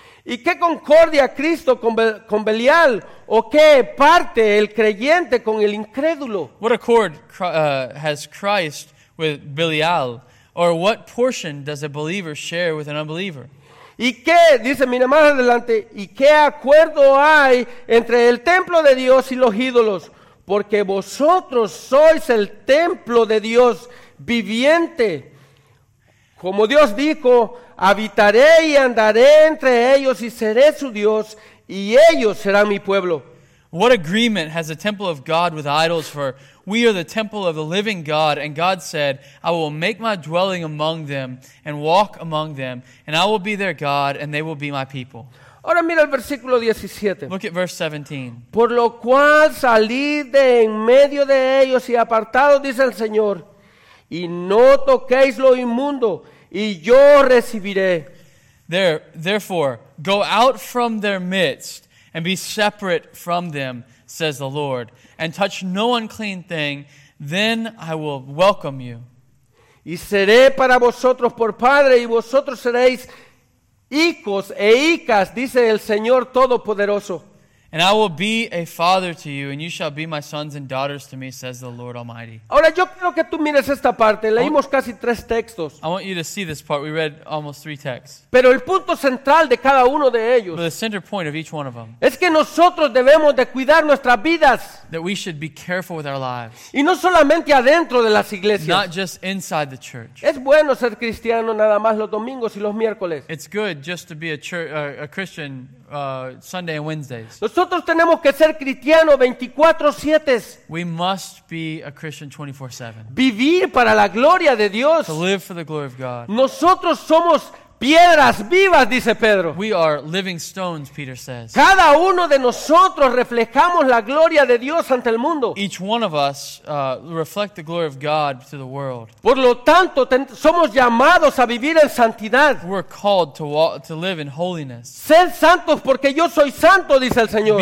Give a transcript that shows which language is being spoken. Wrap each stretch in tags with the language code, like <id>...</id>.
<es>¿Y qué concordia Cristo con Belial? ¿O qué parte el creyente con el incrédulo?</es> <en>What accord has Christ with Belial, or what portion does a believer share with an unbeliever?</en> <es>¿Y qué, dice, mira más adelante, y qué acuerdo hay entre el templo de Dios y los ídolos? Porque vosotros sois el templo de Dios viviente. Como Dios dijo, habitaré y andaré entre ellos y seré su Dios, y ellos serán mi pueblo.</es> <en>What agreement has the temple of God with idols? For we are the temple of the living God, and God said, I will make my dwelling among them and walk among them, and I will be their God, and they will be my people.</en> <es>Ahora mira el versículo 17.</es> <en>Look at verse 17.</en> <es>Por lo cual salid de en medio de ellos y apartados, dice el Señor, y no toquéis lo inmundo, y yo recibiré.</es> <en>Therefore, go out from their midst, and be separate from them, says the Lord, and touch no unclean thing, then I will welcome you.</en> <es>Y seré para vosotros por padre, y vosotros seréis hijos e hijas, dice el Señor Todopoderoso.</es> <en>And I will be a father to you, and you shall be my sons and daughters to me, says the Lord Almighty.</en> <es>Ahora yo quiero que tú mires esta parte. Leímos casi tres textos.</es> <en>I want you to see this part. We read almost three texts.</en> <es>Pero el punto central de cada uno de ellos,</es> <en>the center point of each one of them,</en> <es>es que nosotros debemos de cuidar nuestras vidas.</es> <en>That we should be careful with our lives.</en> <es>Y no solamente adentro de las iglesias.</es> <en>Not just inside the church.</en> <es>Es bueno ser cristiano nada más los domingos y los miércoles.</es> <en>It's good just to be a Christian Sunday and Wednesdays.</en> <es>Nosotros tenemos que ser cristianos 24/7.</es> <en>We must be a Christian 24/7.</en> <es>Vivir para la gloria de Dios.</es> <en>To live for the glory of God.</en> <es>Nosotros somos piedras vivas, dice Pedro.</es> <en>We are living stones, Peter says.</en> <es>Cada uno de nosotros reflejamos la gloria de Dios ante el mundo.</es> <en>Each one of us reflect the glory of God to the world.</en> <es>Por lo tanto, somos llamados a vivir en santidad.</es> <en>We're called to live in holiness.</en> <es>Ser santos porque yo soy santo, dice el Señor.</es>